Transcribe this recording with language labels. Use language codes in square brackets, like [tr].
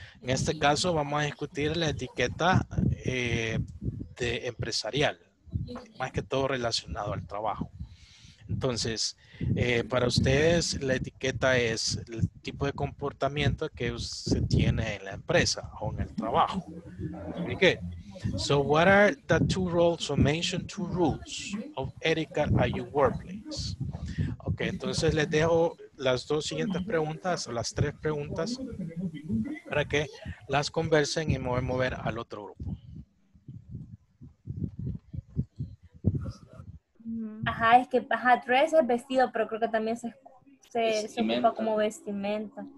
[es] En este caso, vamos a discutir la etiqueta de empresarial, más que todo relacionado al trabajo. Entonces, para ustedes la etiqueta es el tipo de comportamiento que se tiene en la empresa o en el trabajo. [en] Very good. So what are the two rules, so mention two rules of etiquette at your workplace. [es] Ok, entonces les dejo las dos siguientes preguntas, o las tres preguntas, para que las conversen y mover al otro grupo. Ajá, es que ajá, dress es vestido, pero creo que también se ocupa como vestimenta.